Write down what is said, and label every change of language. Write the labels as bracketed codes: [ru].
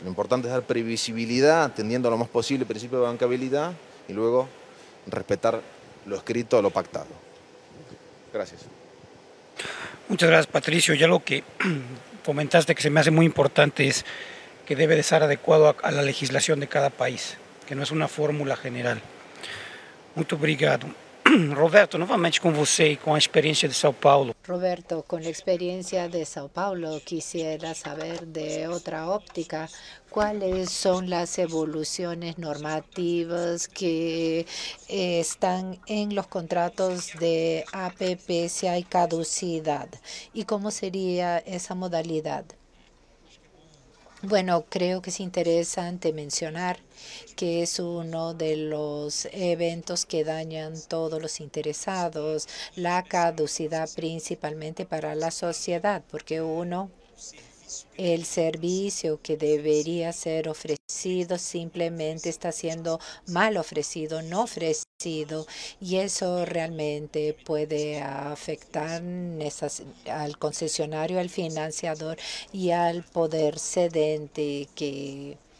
[es] Lo importante es dar previsibilidad, atendiendo lo más posible el principio de bancabilidad, y luego respetar lo escrito o lo pactado. Gracias. Muchas gracias, Patricio. Ya lo que comentaste que se me hace muy importante es que debe de estar adecuado a la legislación de cada país, que no es una fórmula general. [pt] Muito obrigado. Roberto, novamente com você e com a experiência de São Paulo. Roberto, com a experiência de São Paulo, [es] quisiera saber [pt] de outra óptica, quais são as evoluções normativas que estão em los contratos de APP se há caducidade e como seria essa modalidade? [es] Bueno, creo que es interesante mencionar que es uno de los eventos que dañan todos los interesados, la caducidad principalmente para la sociedad, porque uno, el servicio que debería ser ofrecido simplemente está siendo mal ofrecido, no ofrecido, y eso realmente puede afectar al concesionario, al financiador y al poder cedente que...